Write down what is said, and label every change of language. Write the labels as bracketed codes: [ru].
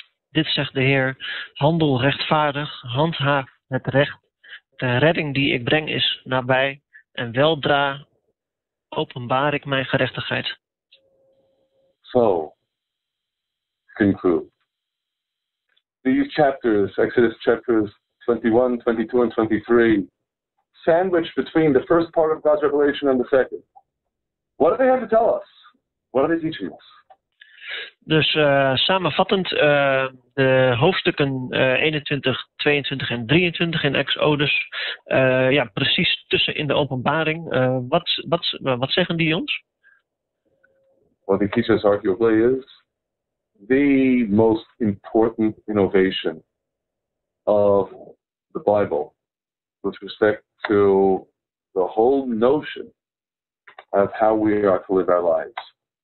[nl] Dit zegt de Heer, handel rechtvaardig, handhaaf het recht. De redding die ik breng is nabij, en weldra openbaar ik mijn gerechtigheid. [en] So, conclude. These chapters, Exodus chapters 21, 22 and 23, sandwich between the first part of God's revelation and the second. What do they have to tell us? What are they teaching us? [nl] Dus samenvattend, de hoofdstukken 21, 22 en 23 in Exodus, precies tussen in de openbaring. Wat zeggen die ons? [en] What the teachers arguably is the most important innovation of the Bible with respect to the whole notion of how we are to live our lives.